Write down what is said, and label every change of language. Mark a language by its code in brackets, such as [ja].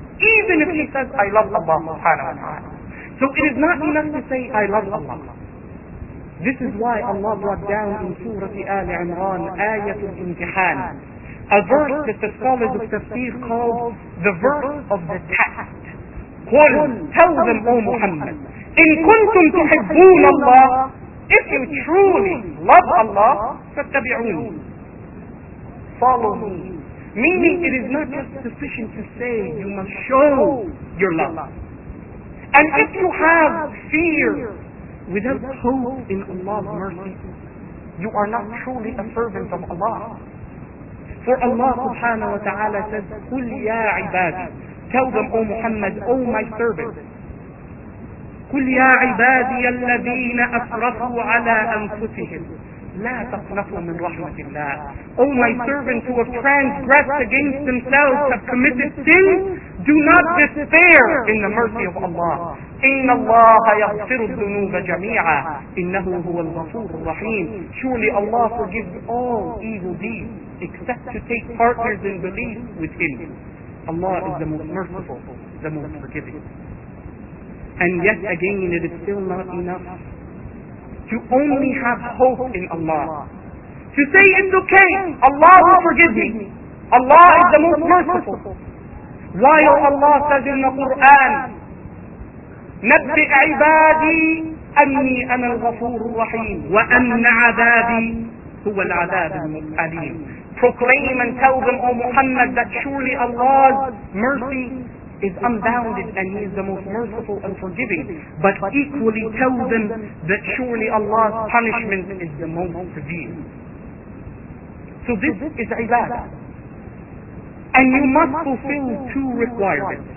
[en] Even if he says, I love Allah subhanahu wa ta'ala. So it is not enough to say, I love Allah. This is why Allah brought down in Surah Ali Imran, Ayat al-Imtihan, a verse that the scholars of Tafsir called the verse of the test. [ar] قُلْ [en] tell them, O Muhammad, [ar] إِن كُنْتُمْ تُحِبُّونَ اللَّهِ. [en] If you truly love Allah, [ar] فَاتَّبِعُونَ. [en] Follow me. Meaning it is not just sufficient to say, you must show your love. And if you have fear without hope in Allah's mercy, you are not truly a servant of Allah. For Allah subhanahu wa ta'ala says, [ar] قُلْ يَا عِبَادِ. [en] Tell them, O Muhammad, O my servant. [ar] قُلْ يَا عِبَادِيَ الَّذِينَ أَسْرَفُوا عَلَىٰ أَنفُسِهِمْ لَا تَقْنَطُوا مِنْ رَحْمَةِ اللَّهِ. [en] O my servant who have transgressed against themselves, have committed sins, do not despair in the mercy of Allah. [ar] إن الله يغفر الذنوب جميعا إنه هو الغفور الرحيم. [en] Surely Allah forgives all evil deeds except to take partners in belief with Him. Allah is the most merciful, the most forgiving. And yet again, it is still not enough to only have hope in Allah. To say it's okay, Allah will forgive me. Allah is the most merciful. While Allah says in the Quran, [ar] نبئ عبادي أني أنا الغفور الرحيم وأن عذابي هو العذاب المقيم. [en] Proclaim and tell them, O Muhammad, that surely Allah's mercy is unbounded and He is the most merciful and forgiving. But equally tell them that surely Allah's punishment is the most severe. So this is ibadah. And you must fulfill two requirements.